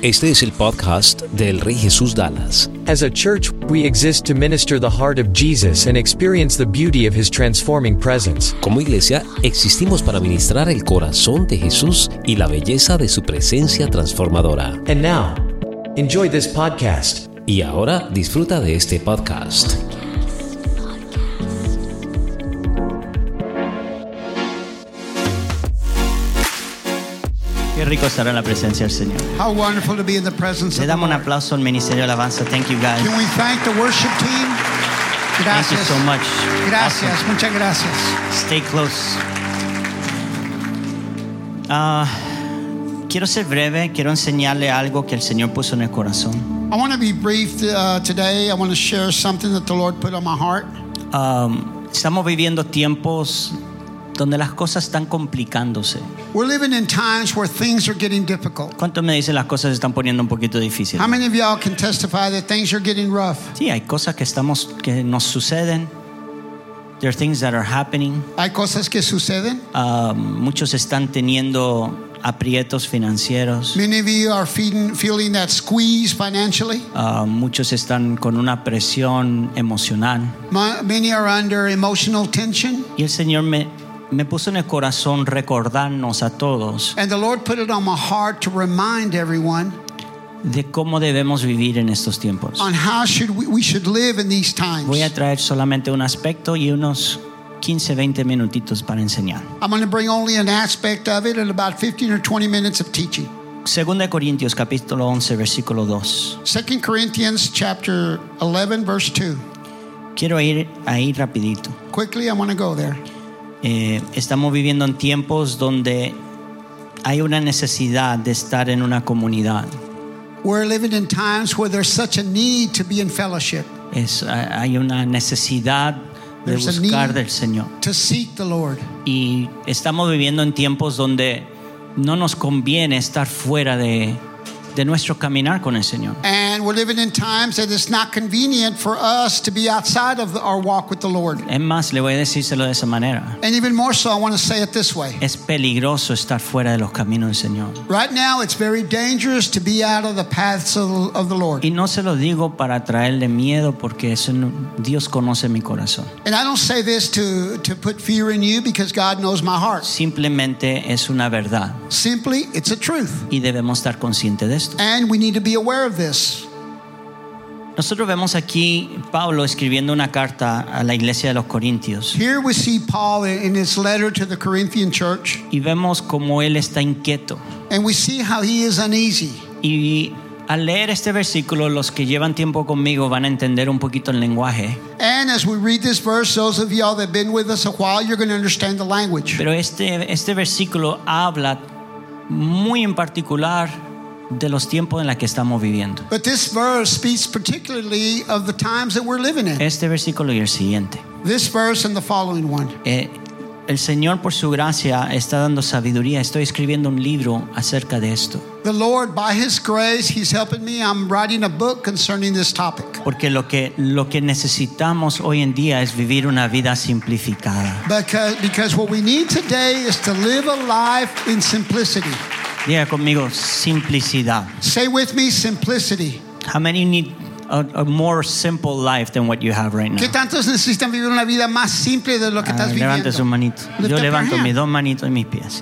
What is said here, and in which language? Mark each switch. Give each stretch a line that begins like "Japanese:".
Spanish: Este es el podcast del Rey Jesús Dallas.
English: As a church, we exist to minister the heart of Jesus and experience the beauty of His transforming presence.
Spanish: Como iglesia, existimos para ministrar el corazón de Jesús y la belleza de su presencia transformadora.
English: And now, enjoy this podcast.
Spanish: Y ahora, disfruta de este podcast. Qué rico estar en la presencia del Señor.
English: How wonderful to be in the presence
Spanish: of. Le damos un aplauso al ministerio de alabanza.
English: Thank you guys. Can we thank the worship team? Gracias. Thank you so much.
Spanish: Gracias. Awesome. Muchas gracias.
English: Stay close.
Spanish: Quiero ser breve. Quiero enseñarle algo que el Señor puso en el corazón.
English: I want to be brief today. I want to share something that the Lord put on my heart.
Spanish: Estamos viviendo tiempos donde las cosas están complicándose.
English: We're living in times where things are getting difficult.
Spanish: ¿Cuánto me dicen las cosas se están poniendo un poquito difíciles?
English: How many of y'all can testify that things are getting rough?
Spanish: Sí, hay cosas que estamos que nos suceden.
English: There are things that are happening.
Spanish: Hay cosas que suceden. Muchos están teniendo aprietos financieros.
English: Many of you are feeling that squeeze financially.
Spanish: Muchos están con una presión emocional.
English: Many are under emotional tension.
Spanish: Y el Señor me puso en el corazón recordarnos a todos.
English: And the Lord put it on my heart to remind everyone
Spanish: de cómo debemos vivir en estos tiempos.
English: On how should we should live in these times.
Spanish: Voy a traer solamente un aspecto y unos 15, 20 minutitos para enseñar.
English: I'm going to bring only an aspect of it and about 15 or 20 minutes of teaching.
Spanish: 2 Corintios capítulo 11 versículo 2.
English: 2 Corinthians chapter 11 verse 2.
Spanish: Quiero ir ahí rapidito.
English: Quickly, I want to go there.
Spanish: Estamos viviendo en tiempos donde hay una necesidad de estar en una comunidad.
English: We're living in times where there's such a need to be in fellowship.
Spanish: Hay una necesidad de buscar del Señor.
English: To seek the Lord.
Spanish: Y estamos viviendo en tiempos donde no nos conviene estar fuera de nuestro caminar con el Señor.
English: And we're living in times that it's not convenient for us to be outside of our walk with the Lord.
Spanish: Es más, le voy a decírselo de esa manera.
English: And even more so, I want to say it this way.
Spanish: Es peligroso estar fuera de los caminos del Señor.
English: Right now, it's very dangerous to be out of the paths of the Lord.
Spanish: Y no se lo digo para traerle miedo porque eso no, Dios conoce mi corazón.
English: And I don't say this to put fear in you because God knows my heart.
Spanish: Simplemente es una verdad.
English: Simply, it's a truth.
Spanish: Y debemos estar conscientes.
English: And we need to be aware of this.
Spanish: Nosotros vemos aquí Pablo escribiendo una carta a la iglesia de los Corintios.
English: Here we see Paul in his letter to the Corinthian church.
Spanish: Y vemos cómo él está inquieto.
English: And we see how he is uneasy.
Spanish: Y al leer este versículo, los que llevan tiempo conmigo van a entender un poquito el lenguaje.
English: And as we read this verse, those of y'all that have been with us a while, you're going to understand the language.
Spanish: Pero este versículo habla muy en particular de los tiempos en los que estamos viviendo.
English: But this verse speaks particularly of the times that we're living in.
Spanish: Este versículo y el siguiente.
English: This verse and the following one.
Spanish: El Señor por su gracia está dando sabiduría. Estoy escribiendo un libro acerca de esto.
English: The Lord, by His grace, He's helping me. I'm writing a book concerning this topic.
Spanish: Porque lo que necesitamos hoy en día es vivir una vida simplificada.
English: Because what we need today is to live a life in simplicity.
Spanish: Diga conmigo, simplicidad.
English: Say with me, simplicity. How many need a more simple life than what you have right now?
Spanish: ¿Qué tantos necesitan vivir una vida más simple de lo que estás viviendo? Levante su manito. Yo levanto mis dos manitos y mis pies.